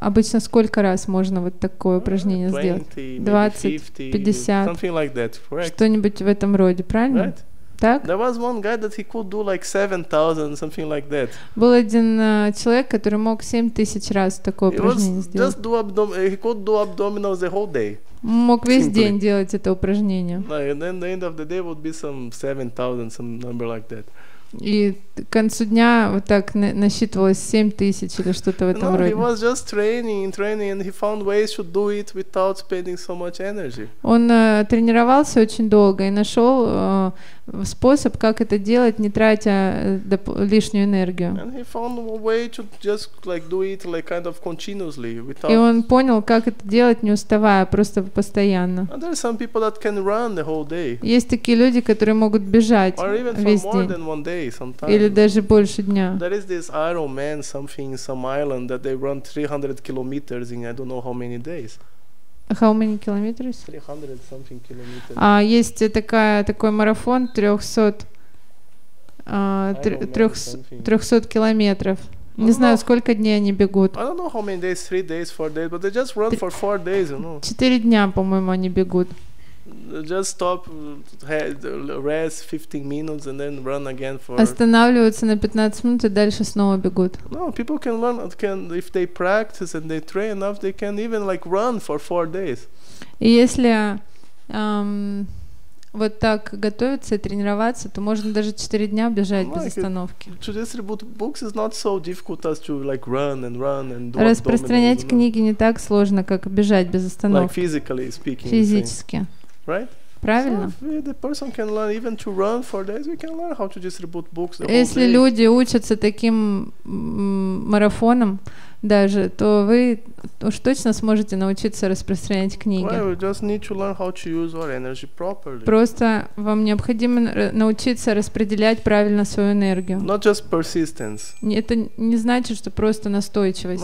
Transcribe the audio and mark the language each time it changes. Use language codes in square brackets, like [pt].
[ru] обычно сколько раз можно вот такое упражнение 20, сделать? 20, 50, [en] something like that, correct? [ru] Что-нибудь в этом роде, правильно? [en] Right? [ru] Так? [en] There was one guy that he could do like 7,000 something like that. [ru] Был один человек, который мог 7,000 раз такое упражнение сделать. [en] Just do he could do abdominals the whole day. [ru] Мог весь [en] simply. [ru] День делать это упражнение. [en] No, and then the end of the day would be some 7,000 some number like that. [ru] И к концу дня вот так насчитывалось 7,000 или что-то в этом [en] no, [ru] роде. [en] He was just training, and he found ways to do it without spending so much energy. [ru] Он тренировался очень долго и нашел способ, как это делать, не тратя лишнюю энергию. [en] And he found a way to just like do it like kind of continuously without. [ru] И он понял, как это делать, не уставая, просто постоянно. [en] And there are some people that can run the whole day. [ru] Есть такие люди, которые могут бежать [en] or even [ru] весь [en] for [ru] день. [en] More than one day, sometimes. [ru] Или даже больше дня. [en] There is this Iron Man something in some island that they run 300 kilometers in I don't know how many days. How many kilometers? 300 something kilometers. [ru] А есть такой марафон 300 километров. Не знаю, сколько дней они бегут. [en] I don't know how many days, 3 days, 4 days, but they just run for 4 days, you know. [ru] 4 дня, по-моему, они бегут. [en] Just stop, rest 15 minutes and then run again for. [ru] Останавливаются на 15 минут и дальше снова бегут. [en] No, people can learn, can if they practice and they train enough, they can even like run for 4 days. [ru] И если вот так готовиться и тренироваться, то можно даже 4 дня бежать без остановки. [en] To distribute books is not so difficult as to like run and run and do. [ru] Распространять книги не так сложно, как бежать без остановки. [en] Like physically speaking. [ru] Физически. [en] Right? [ru] Правильно. [en] So if the person can learn even to run for days, we can learn how to distribute books. [ru] Если люди учатся таким марафоном даже, то вы уж точно сможете научиться распространять книги. [en] Well, we just need to learn how to use our energy properly. [ru] Просто вам необходимо научиться распределять правильно свою энергию. [en] Not just persistence. [ru] Это не значит, что просто настойчивость.